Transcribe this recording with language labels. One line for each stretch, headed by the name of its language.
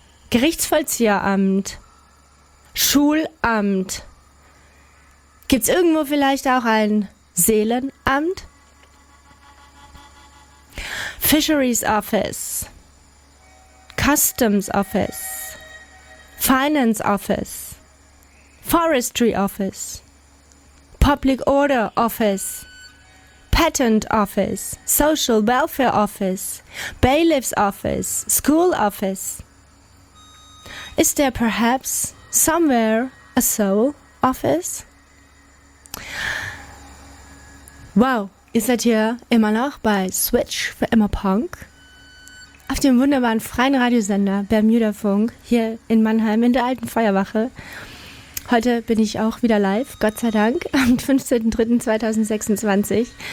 German: Gerichtsvollzieheramt. Schulamt. Gibt's irgendwo vielleicht auch ein Seelenamt?
English: Fisheries Office, Customs Office, Finance Office, Forestry Office, Public Order Office, Patent Office, Social Welfare Office, Bailiff's Office, School Office. Is there perhaps somewhere a soul office?
German: Wow, ihr seid hier immer noch bei Switch für immer Punk auf dem wunderbaren freien Radiosender Bermudafunk hier in Mannheim in der alten Feuerwache. Heute bin ich auch wieder live, Gott sei Dank, am 15.03.2026.